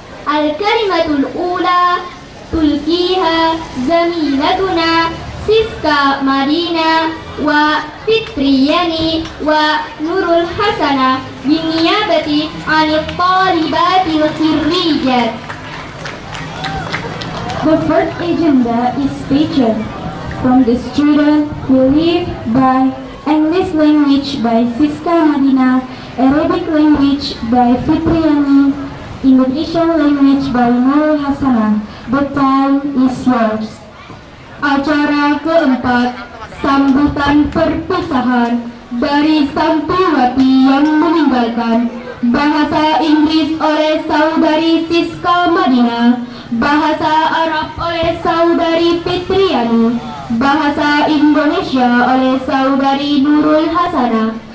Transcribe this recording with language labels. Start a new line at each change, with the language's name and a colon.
Arabic: الكلمة الأولى تلقيها زميلتنا سيسكا مارينا وفتريني ونور الحسنة بالنيابة عن الطالبات الخريجة.
English: The first agenda is featured from the student who live by English language by Siska Marina, Arabic language by Fitriani, Indonesian language by Nur Hasana. The time is yours.
Indonesian: Acara keempat, sambutan perpisahan dari santriwati yang meninggalkan. Bahasa Inggris oleh saudari Siska Marina, bahasa Arab oleh saudari Fitriani, bahasa Indonesia oleh saudari Nurul Hasana.